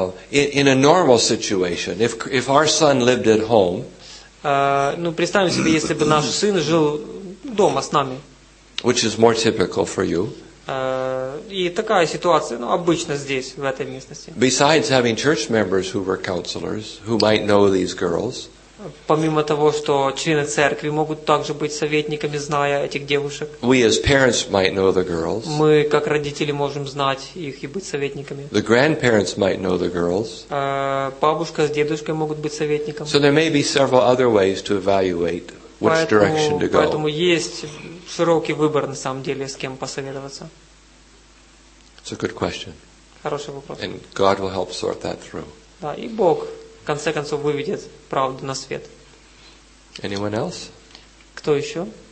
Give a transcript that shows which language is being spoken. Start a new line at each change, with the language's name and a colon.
English: In a normal situation, if our son lived at home,
Russian: ну представим себе, если бы наш сын жил дома с нами,
English: which is more typical for you,
Russian: и такая ситуация, ну обычно здесь в этой местности.
English: Besides having church members who were counselors who might know these girls,
Russian: помимо того, что члены церкви могут также быть советниками, зная этих девушек.
English: We as parents might know the girls.
Russian: Мы как родители можем знать их и быть советниками.
English: The grandparents might know the girls.
Russian: Бабушка с дедушкой могут быть советником.
English: So there may be several other ways to evaluate which direction to go.
Russian: Поэтому есть широкий выбор на самом деле, с кем посоветоваться.
English: It's a good question.
Russian: Хороший вопрос.
English: And God will help sort that through.
Russian: Да, и Бог в конце концов выведет правду на свет.
English: Anyone else?
Russian: Кто еще?